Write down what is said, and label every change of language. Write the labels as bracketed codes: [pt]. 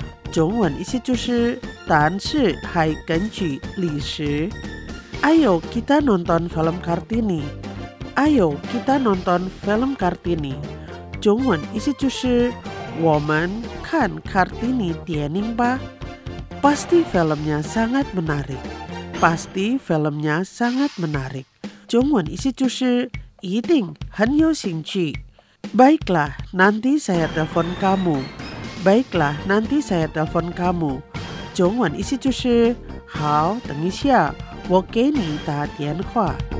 [zh] 中文意思就是但是还根据历史。 [id] Ayo kita nonton film Kartini. Ayo kita nonton film Kartini. [zh] 中文意思就是我们看Kartini电影吧. [id] Pasti filmnya sangat menarik. Pasti filmnya sangat menarik. [zh] 中文意思就是一定很有兴趣. [id] Baiklah, nanti saya telepon kamu. Baiklah, nanti saya telepon kamu. [zh] 中文意思就是好，等一下。我给你打电话。